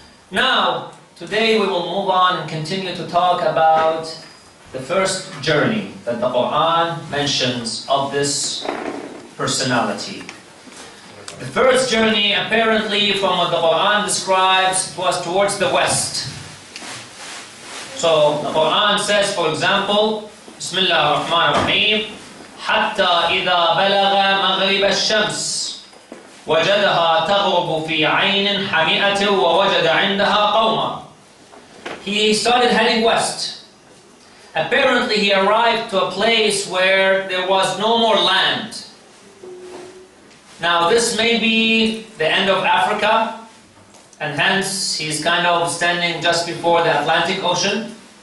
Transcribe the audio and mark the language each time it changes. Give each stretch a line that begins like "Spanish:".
English: Now, today we will move on and continue to talk about the first journey that the Quran mentions of this personality. The first journey, apparently, from what the Quran describes, was towards the west. So, the Quran says, for example,
Arabic: بسم الله الرحمن الرحيم حتى إذا بلغ مغرب الشمس وجدها تغرب في عين حمئة ووجد عندها قوما.
English: He started heading west. Apparently he arrived to a place where there was no more land. Now this may be the end of Africa, and hence he's kind of standing just before the Atlantic Ocean.